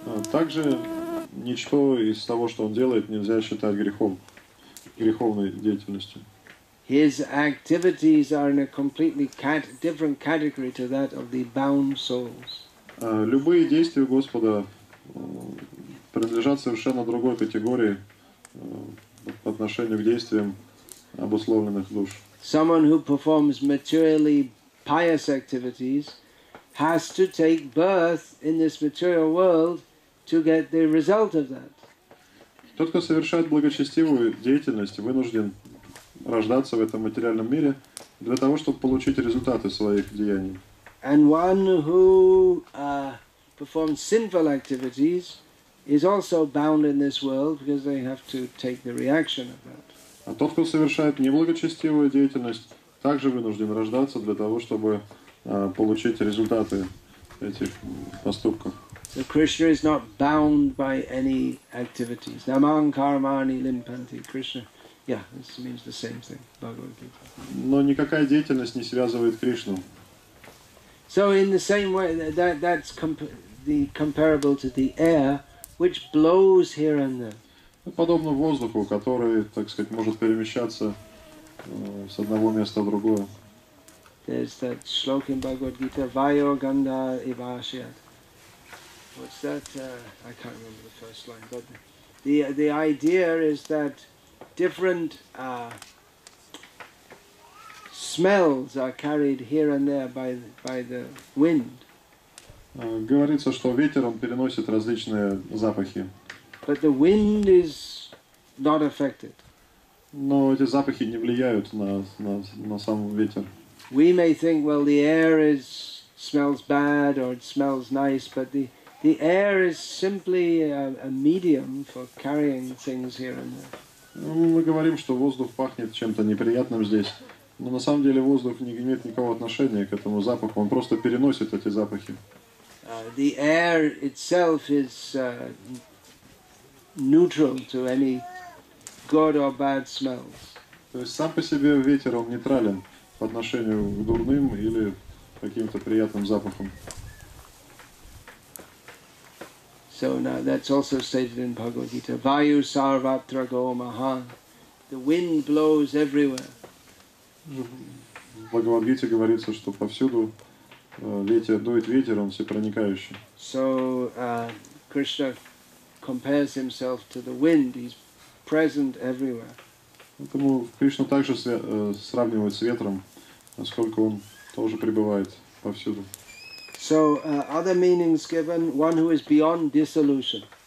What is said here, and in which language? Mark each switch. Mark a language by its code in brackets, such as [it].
[ru] Также ничто из того, что он делает, нельзя считать греховной деятельностью. [en] His activities are in a completely different category to that of the bound souls. [ru] Любые действия Господа принадлежат совершенно другой категории по отношению к действиям обусловленных душ. [en] Someone who performs materially pious activities has to take birth in this material world to get the result of that. [ru] Тот, кто совершает благочестивую деятельность, вынужден рождаться в этом материальном мире для того, чтобы получить результаты своих деяний. [en] And one who performs sinful activities is also bound in this world because they have to take the reaction of that. [ru] А тот, кто совершает неблагочестивую деятельность, также вынужден рождаться для того, чтобы получить результаты этих поступков. [en] So Krishna is not bound by any activities. [sa] Namang karmani limpanti [en] Krishna. Yeah, this means the same thing. Bhagavad Gita. [ru] Но никакая деятельность не связывает Кришну. [en] So in the same way, that's comparable to the air, which blows here and there. [ru] Подобно воздуху, который, так сказать, может перемещаться с одного места в другое. [en] There's that shloka in Bhagavad Gita, [sa] Vayo Ganda Ivashyat. [en] What's that? I can't remember the first line, but the idea is that different smells are carried here and there by the wind. [ru] Говорится, что ветер он переносит различные запахи. [en] But the wind is not affected. [ru] Но эти запахи не влияют на сам ветер. [en] We may think, well, the air is smells bad or it smells nice, but the air is simply a medium for carrying things here and there. [ru] Мы говорим, что воздух пахнет чем-то неприятным здесь, но на самом деле воздух не имеет никакого отношения к этому запаху, он просто переносит эти запахи. [en] The air itself is neutral to any good or bad smells. [ru] То есть сам по себе ветер, он нейтрален по отношению к дурным или каким-то приятным запахам. [en] So now that's also stated in Bhagavad Gita. [sa] Vayu sarvatra go maha. [en] The wind blows everywhere. [ru] В Бхагавад Гите говорится, что повсюду ветер дует, ветер он всепроникающий. [en] So Krishna compares himself to the wind. He's present everywhere. [ru] Поэтому Кришна также сравнивает с ветром, насколько он тоже пребывает повсюду. [en] So other meanings given, one who is beyond dissolution.